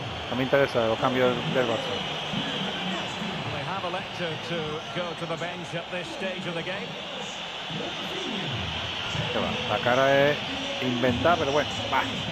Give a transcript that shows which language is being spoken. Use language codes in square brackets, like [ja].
[es] No me interesa los cambios del Barça. [en] They have elected to go to the bench at this stage of the game. [es] Qué va. La cara es inventada, pero bueno, va.